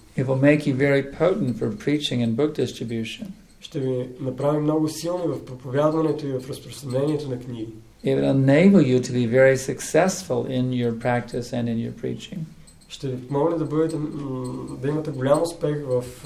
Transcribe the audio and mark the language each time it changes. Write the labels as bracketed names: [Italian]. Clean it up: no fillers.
[English] It will make you very potent for preaching and book distribution. [Bulgarian] Ще ви направи много силни в проповядването и в разпространението на книги. [English] It will enable you to be very successful in your practice and in your preaching. [Bulgarian] Ще ви помогне да имате голям успех в